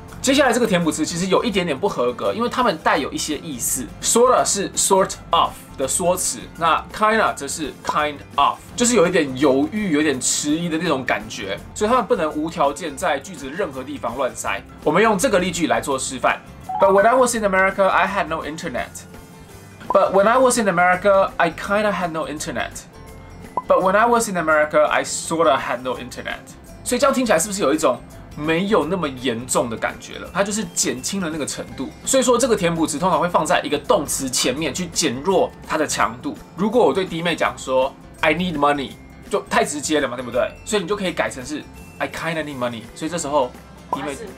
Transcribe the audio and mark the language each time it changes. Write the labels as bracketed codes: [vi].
[zh] 接下来这个填补词其实有一点点不合格，因为它们带有一些意思。 Sorta 是 sort of 的缩词，那 kinda 则是 kind of， 就是有一点犹豫、有点迟疑的那种感觉。所以它们不能无条件在句子任何地方乱塞。我们用这个例句来做示范 ： [en] But when I was in America, I had no internet. But when I was in America, I kinda had no internet. But when I was in America, I sorta had no internet. [zh] 所以这样听起来是不是有一种？没有那么严重的感觉了，它就是减轻了那个程度。所以说这个填补词通常会放在一个动词前面去减弱它的强度。如果我对弟妹讲说 [en] I need money， [zh] 就太直接了嘛，对不对？所以你就可以改成是 [en] I kinda need money。 [zh] 所以这时候弟妹，